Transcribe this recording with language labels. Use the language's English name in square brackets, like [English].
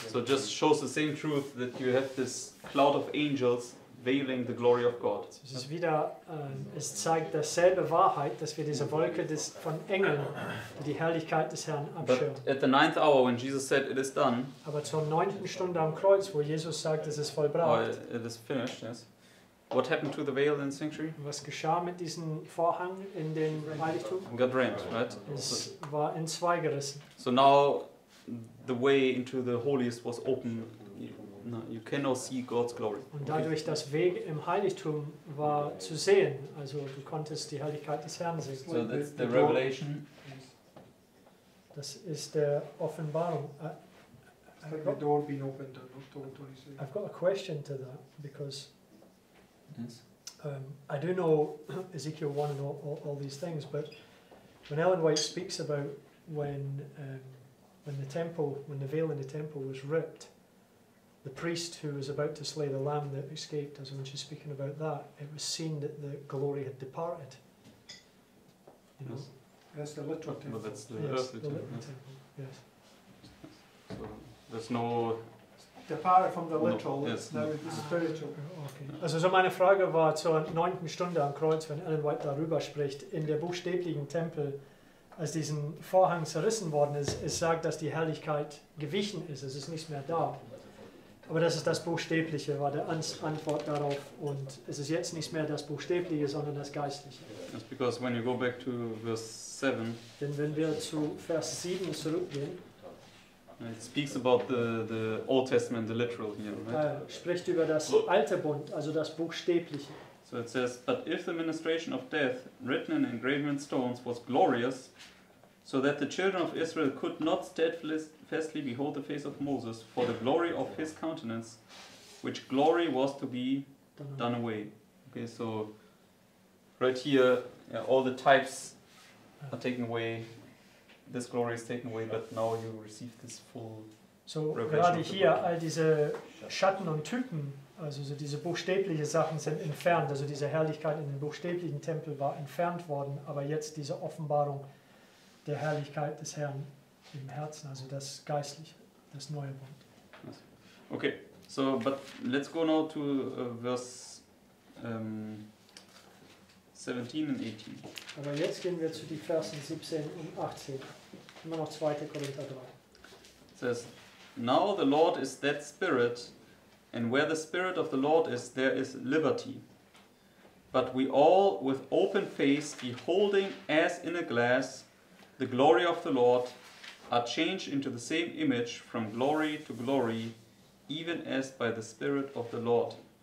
[English] So it just shows the same truth that you have this cloud of angels veiling the glory of God. [German] Es ist wieder, es zeigt dasselbe Wahrheit, dass wir diese Wolke des von Engeln, die Herrlichkeit des Herrn abschirmen. [English] But at the ninth hour, when Jesus said it is done. [German] Aber zur neunten Stunde am Kreuz, wo Jesus sagt, es ist vollbracht. [English] Oh, it is finished. Yes. What happened to the veil in the sanctuary? [German] Was geschah mit diesem Vorhang in dem Heiligtum? [English] Got rent, right? [German] Es war in zwei gerissen. [English] So now the way into the holiest was open. You cannot see God's glory. [German] Und dadurch, dass Weg im Heiligtum war zu sehen, also du konntest die Herrlichkeit des Herrn sehen. [English] So that's the revelation. [German] Das ist der Offenbarung. [English] The door being opened on October 26. I've got a question to that, because yes. I do know Ezekiel 1 and all these things, but when Ellen White speaks about when the temple, when the veil in the temple was ripped, the priest who was about to slay the lamb that escaped, as when she's speaking about that, it was seen that the glory had departed. Yes. That's the literal temple. But that's the yes, the temple. Temple. Yes. So there's no. Departed from the literal, it's now the spiritual. [German] Okay. Also, meine Frage war zur neunten Stunde am Kreuz, wenn Ellen White darüber spricht, in der buchstäblichen Tempel, als diesen Vorhang zerrissen worden ist, es sagt, dass die Herrlichkeit gewichen ist, es ist nicht mehr da. Aber das ist das Buchstäbliche, war der Antwort darauf. Und es ist jetzt nicht mehr das Buchstäbliche, sondern das Geistliche. [English] That's because when you go back to verse 7, [German] denn wenn wir zu Vers 7 zurückgehen, [English] it speaks about the Old Testament, the literal, you know, right? [German] Spricht über das Alte Bund, also das Buchstäbliche. [English] So it says, but if the ministration of death, written in engraved stones, was glorious, so that the children of Israel could not steadfastly behold the face of Moses for the glory of his countenance, which glory was to be done away. Okay, so right here, yeah, all the types are taken away. This glory is taken away, but now you receive this full [German] so gerade hier all diese Schatten und Typen, also so diese buchstäblichen Sachen sind entfernt, also diese Herrlichkeit in dem buchstäblichen Tempel war entfernt worden, aber jetzt diese Offenbarung der Herrlichkeit des Herrn im Herzen, also das Geistliche, das neue Bund. [English] Okay, so but let's go now to verse 17 and 18. [German] Aber jetzt gehen wir zu den Versen 17 und 18. Immer noch 2. Korinther 3. [English] It says, now the Lord is that Spirit, and where the Spirit of the Lord is, there is liberty. But we all, with open face, beholding as in a glass the glory of the Lord, are changed into the same image from glory to glory, even as by the Spirit of the Lord.